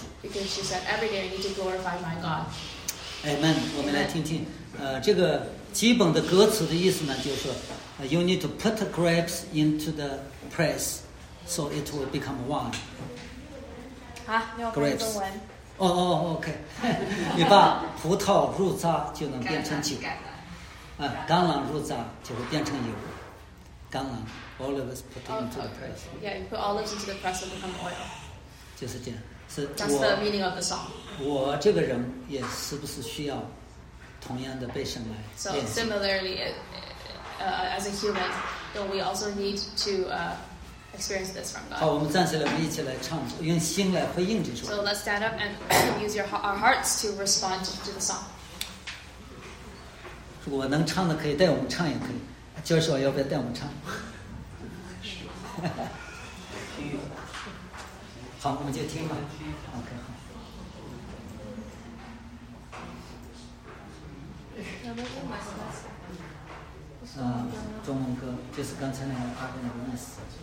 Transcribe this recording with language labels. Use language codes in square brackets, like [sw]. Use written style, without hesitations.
[en] Because she said, every day I need to glorify my God. Amen. [zh] 我们来听听，这个基本的歌词的意思呢，就是说 [en] you need to put the grapes into the press, so it will become wine. [zh] 啊，你要看中文。 [en] OK. [zh] 你把葡萄入榨就能变成酒。橄榄入榨就会变成油。橄榄 [en] olives put into the press. Yeah, you put olives into the press and become oil. [zh] 就是这样，是。 [en] That's the meaning of the song. [zh] 我这个人也是不是需要同样的被神来炼？ [en] So similarly, as a human, don't we also need to experience this from God? [zh] 好，我们站起来，我们一起来唱，用心来回应这首。 [en] So let's stand up and use our hearts to respond to the song. [zh] 如果能唱的可以，带我们唱也可以。就是说要不要带我们唱好我们就听吧 OK 好中文歌就是刚才那个阿根的意思